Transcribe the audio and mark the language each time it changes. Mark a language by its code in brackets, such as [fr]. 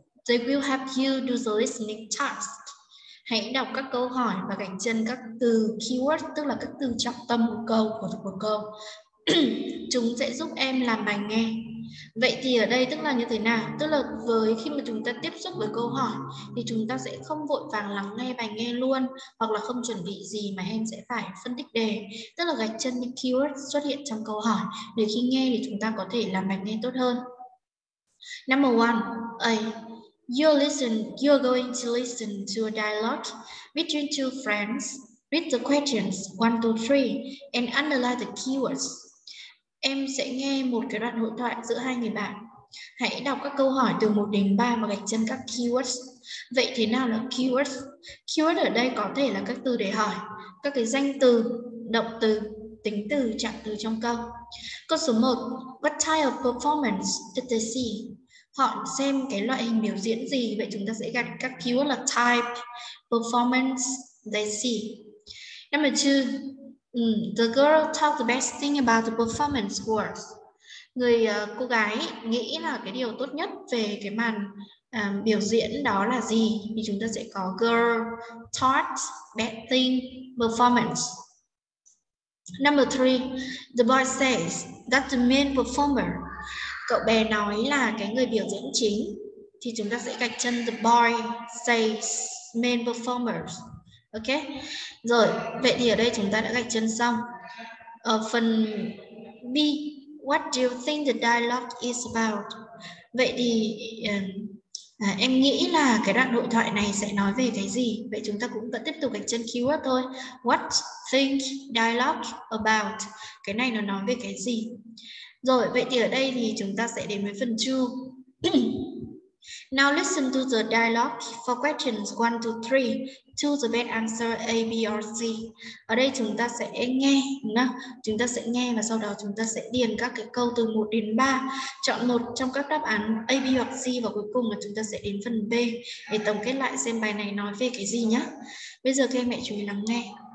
[en] They will help you do the listening task. [vi] Hãy đọc các câu hỏi và gạch chân các từ keyword, tức là các từ trọng tâm của câu, chúng sẽ giúp em làm bài nghe. Vậy thì ở đây tức là như thế nào? Tức là với khi mà chúng ta tiếp xúc với câu hỏi thì chúng ta sẽ không vội vàng lắng nghe bài nghe luôn, hoặc là không chuẩn bị gì mà em sẽ phải phân tích đề, tức là gạch chân những keyword xuất hiện trong câu hỏi để khi nghe thì chúng ta có thể làm bài nghe tốt hơn. [en] Number one, You're going to listen to a dialogue between two friends. Read the questions 1 to 3 and analyze the keywords. [vi] Em sẽ nghe một cái đoạn hội thoại giữa hai người bạn. Hãy đọc các câu hỏi từ 1 đến 3 và gạch chân các keywords. Vậy thế nào là keywords? Keywords ở đây có thể là các từ để hỏi, các cái danh từ, động từ, tính từ, trạng từ trong câu. Câu số 1, [en] what type of performance did they see? [vi] Họ xem cái loại hình biểu diễn gì, vậy chúng ta sẽ gạch các keyword là type, performance, they see. [en] Number 2, the girl thought the best thing about the performance was. [vi] Người cô gái nghĩ là cái điều tốt nhất về cái màn biểu diễn đó là gì, thì chúng ta sẽ có [en] girl thought best thing performance. Number 3, the boy says that the main performer. [vi] Cậu bé nói là cái người biểu diễn chính, thì chúng ta sẽ gạch chân [en] the boy says main performers. [vi] Ok, rồi vậy thì ở đây chúng ta đã gạch chân xong. Ở phần B, [en] what do you think the dialogue is about? [vi] Vậy thì em nghĩ là cái đoạn hội thoại này sẽ nói về cái gì? Vậy chúng ta cũng vẫn tiếp tục gạch chân keyword thôi. [en] What think dialogue about? [vi] Cái này nó nói về cái gì? Rồi, vậy thì ở đây thì chúng ta sẽ đến với phần 2. [en] Now listen to the dialogue for questions 1 to 3. Choose the best answer A, B or C. [vi] Ở đây chúng ta sẽ nghe, đúng không? Chúng ta sẽ nghe và sau đó chúng ta sẽ điền các cái câu từ 1 đến 3. Chọn một trong các đáp án A, B hoặc C và cuối cùng là chúng ta sẽ đến phần B để tổng kết lại xem bài này nói về cái gì nhá. Bây giờ các em hãy chú ý lắng nghe.